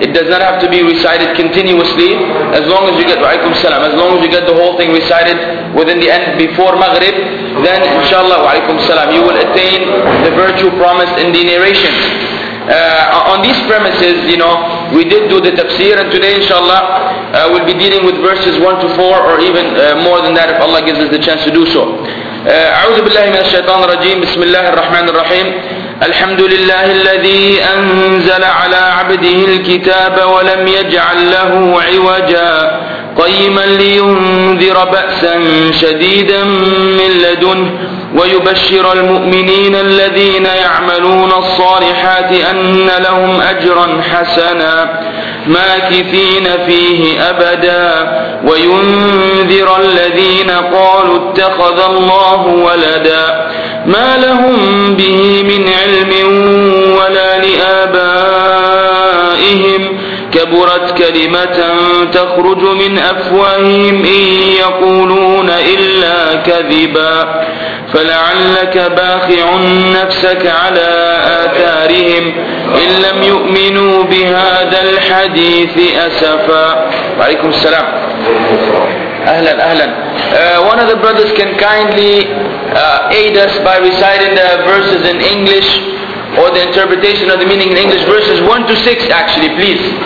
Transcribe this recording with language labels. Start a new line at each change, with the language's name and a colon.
English: It does not have to be recited continuously, as long as you get
Arabic: Wa'alaikum Salam,
English: as long as you get the whole thing recited within the end before Maghrib, then inshallah Wa'alaikum Salam, you will attain the virtue promised in the narration. On these premises, you know, we did do the tafsir, and today inshallah we'll be dealing with verses 1 to 4 or even more than that if Allah gives us the chance to do so.
Arabic: A'udhu billahi minash shaitanir rajim, bismillahir rahmanir rahim. الحمد لله الذي أنزل على عبده الكتاب ولم يجعل له عوجا قيما لينذر بأسا شديدا من لدنه ويبشر المؤمنين الذين يعملون الصالحات أن لهم أجرا حسنا ماكثين فيه أبدا وينذر الذين قالوا اتخذ الله ولدا ما لهم به من علم ولا لآبائهم كبرت كلمة تخرج من أفواههم إن يقولون إلا كذبا فلعلك باخع نفسك على آثارهم إن لم يؤمنوا بهذا الحديث أسفا. وعليكم السلام. أهلا أهلا.
English: One of the brothers can kindly aid us by reciting the verses in English or the interpretation of the meaning in English, verses 1 to 6 actually, please.